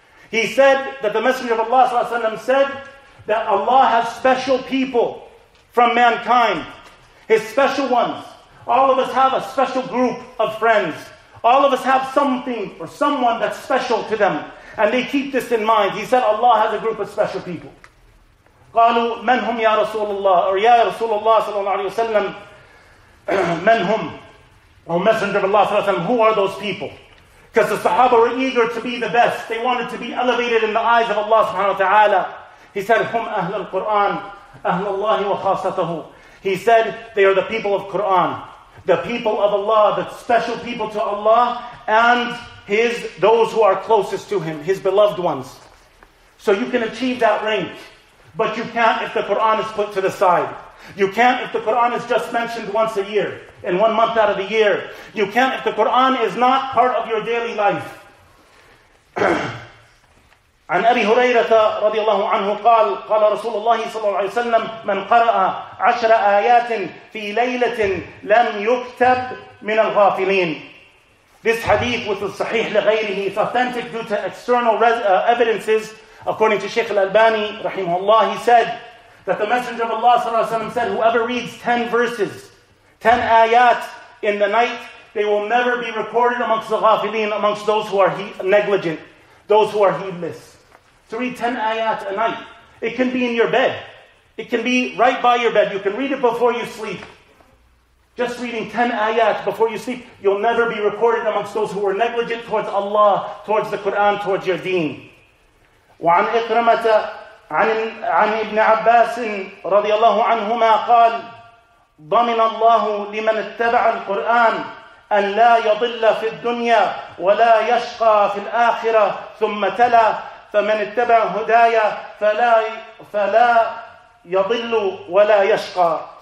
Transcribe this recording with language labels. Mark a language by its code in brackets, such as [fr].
[en] He said that the Messenger of Allah, sallallahu alayhi wa sallam, said that Allah has special people from mankind, His special ones. All of us have a special group of friends. All of us have something or someone that's special to them. And they keep this in mind. He said, Allah has a group of special people. [ar] قَالُوا مَنْ هُمْ يَا رَسُولَ اللَّهِ or يَا رَسُولَ اللَّهِ صَلَى اللَّهُ عَلَيْهِ وَسَلَّمْ مَنْ هُمْ [en] or Messenger of Allah [ar] صلى الله عليه وسلم, [en] who are those people? Because the Sahaba were eager to be the best. They wanted to be elevated in the eyes of Allah subhanahu wa ta'ala. He said, [ar] هُمْ أَهْلَ الْقُرْآنِ أَهْلَ اللَّهِ وَخَاصَتَهُ. [en] He said, they are the people of Quran. The people of Allah, the special people to Allah, and His, those who are closest to Him, His beloved ones. So you can achieve that rank, but you can't if the Qur'an is put to the side. You can't if the Qur'an is just mentioned once a year, in 1 month out of the year. You can't if the Qur'an is not part of your daily life. [ar] عن أبي هريرة رضي الله عنه قال قال رسول الله صلى الله عليه وسلم من قرأ عشر آيات في ليلة لم يكتب من الغافلين. [en] This hadith with the sahih لغيره is authentic due to external evidences. According to Sheikh Al-Albani rahimahullah, he said that the Messenger of Allah [ar] صلى الله عليه وسلم [en] said, whoever reads 10 verses, 10 آيات in the night, they will never be recorded amongst the ghafilin, amongst those who are negligent, those who are heedless. To read 10 ayat a night, it can be in your bed. It can be right by your bed. You can read it before you sleep. Just reading 10 ayat before you sleep, you'll never be recorded amongst those who are negligent towards Allah, towards the Quran, towards your deen. [ar] وعن إكرمة عن ابن عباس رضي الله عنهما قال ضمن الله لمن اتبع القرآن أن لا يضل في الدنيا ولا يشقى في الآخرة ثم تلا فمن اتبع هدايا فلا يضل ولا يشقى.